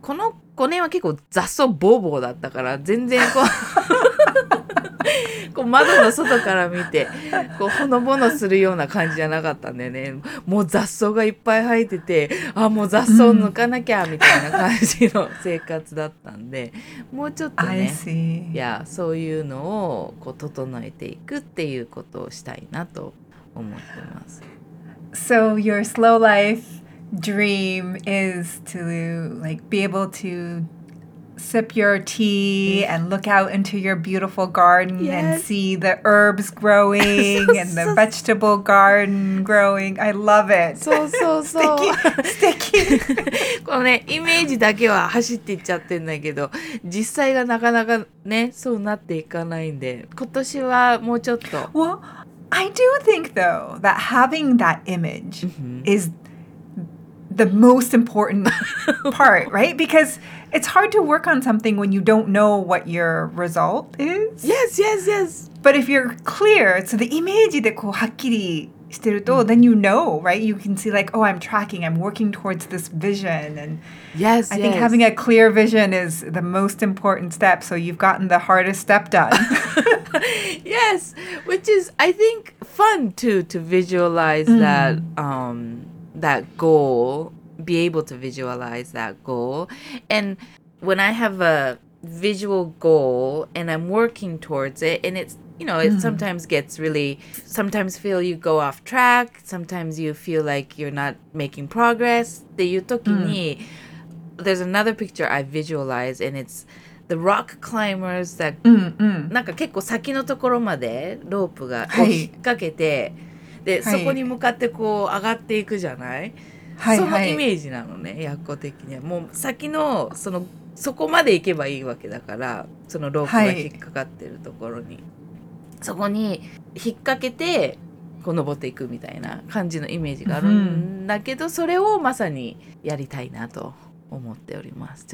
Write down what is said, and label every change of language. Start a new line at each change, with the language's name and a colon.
Japanese: この5年は結構雑草ボーボーだったから、全然こうこう窓の外から見てこうほのぼのするような感じじゃなかったんだよね。もう雑草がいっぱい生えてて、あ、もう雑草抜かなきゃみたいな感じの生活だったんで、もうちょっとね、いや、そういうのをこう整えていくっていうことをしたいなと思ってます。
English: So your slow life dream is to like be able to sip your tea and look out into your beautiful garden、yes. and see the herbs growing and the vegetable garden growing. I love it.
Japanese: そうそうそう。素敵。素敵。このね、イメージだけは走っていっちゃってんだけど、実際がなかなかね、そうなっていかないんで、今年はもうちょっと。
English: Well, I do think though that having that image、mm-hmm. is the most important part, right? Because... It's hard to work on something when you don't know what your result is. Yes, yes, yes. But if you're clear, so the image
Japanese: でこうはっきりしてると、
English: mm-hmm. then you know, right? You can see like, oh, I'm tracking, I'm working towards this vision. And yes, I think having a clear vision is the most important step. So you've gotten the hardest step done. Yes, which is, I think, fun too, to visualize、mm-hmm. That goal. Be able to visualize that goal. And when I have a visual goal and I'm working towards it, and it's, you know, it、mm. sometimes gets really, sometimes feel you go off track, sometimes you feel like you're not making progress.
Japanese: っていう時に、mm.
English: there's another picture I visualize, and it's the rock climbers that、 mm-hmm.
Japanese: なんか結構先のところまでロープが、はい、引っ掛けて、で、はい、そこに向かってこう上がっていくじゃない、そのイメージなのね、はいはい、役語的にはもう先のそのそこまで行けばいいわけだから、そのロープが引っかかってるところに、はい、そこに引っ掛けてこう登っていくみたいな感じのイメージがあるんだけど、うん、それをまさにやりたいなと思っております。